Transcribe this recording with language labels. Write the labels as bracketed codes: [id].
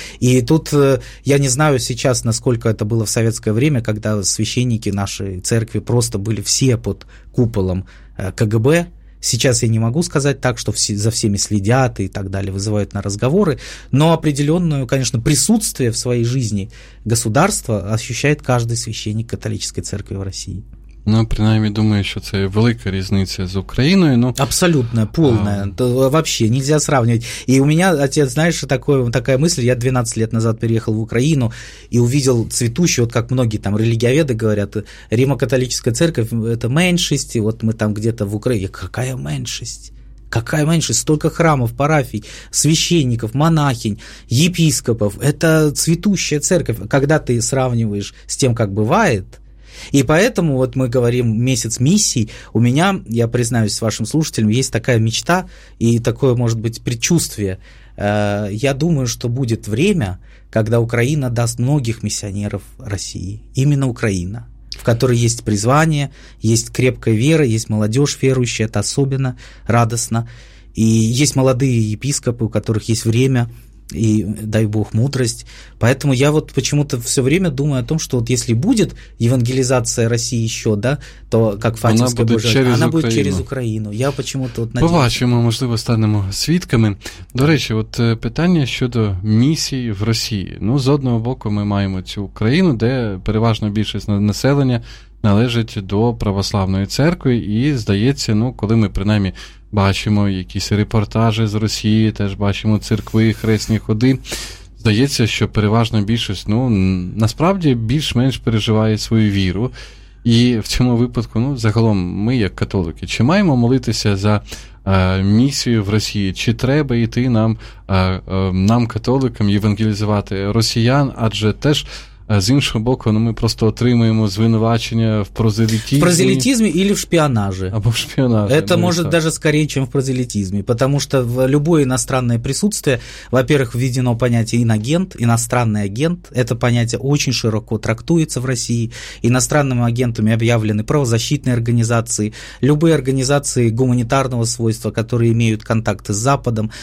[ru] И тут я не знаю сейчас, насколько это было в советское время, когда священники нашей церкви просто были все под куполом КГБ. Сейчас я не могу сказать так, что за всеми следят и так далее, вызывают на разговоры, но определенное, конечно, присутствие в своей жизни государства ощущает каждый священник католической церкви в России. [uk] Ну, принаймні, думаю, що це велика різниця з Україною. Ну, абсолютно, повна. [ru] Вообще, нельзя сравнивать. [uk] І у мене, отец, знаєш, така мисль, я 12 років назад переїхав в Україну і увидел цвітущу, от як многі там релігіоведи говорять, Римо-католіцька церковь – це меншість, от ми там где-то в Україні. [ru] Какая меншість? Какая меншість? Столько храмов, парафій, священників, монахинь, єпископів. [uk] Це цвітуща церковь. [ru] Когда [uk] ти сравниваєш з тим, як буває, [ru] и поэтому вот мы говорим месяц миссий, у меня, я признаюсь вашим слушателям, есть такая мечта и такое, может быть, предчувствие. Я думаю, что будет время, когда Украина даст многих миссионеров России, именно Украина, в которой есть призвание, есть крепкая вера, есть молодежь верующая, это особенно радостно, и есть молодые епископы, у которых есть время и дай Бог мудрость. Поэтому я вот почему-то все время думаю о том, что вот если будет евангелизация России еще, да, то как Фатимская Божия, она будет через Украину. Я почему-то вот надеюсь. [uk] Побачимо, можливо, станемо свідками. До речі, от питання щодо місії в Росії. Ну, з одного боку, ми маємо цю Україну, де переважно більшість населення належить до православної церкви, і, здається, ну, коли ми принаймні бачимо якісь репортажі з Росії, теж бачимо церкви, хресні ходи, здається, що переважна більшість, ну, насправді, більш-менш переживає свою віру. І в цьому випадку, ну, загалом, ми, як католики, чи маємо молитися за місію в Росії, чи треба йти нам, нам католикам, євангелізувати росіян, адже теж з іншого боку, ну, ми просто отримуємо звинувачення в прозелітизмі. В прозелітизмі или в шпіонажі. Або в шпіонажі. [ru] Это може даже скорее, чем в прозелітизмі. Потому что в любое иностранное присутствие, во-первых, введено понятие иногент, иностранный агент. Это понятие очень широко трактуется в России. Иностранными агентами объявлены правозащитные организации, любые организации гуманитарного свойства, которые имеют контакты с Западом.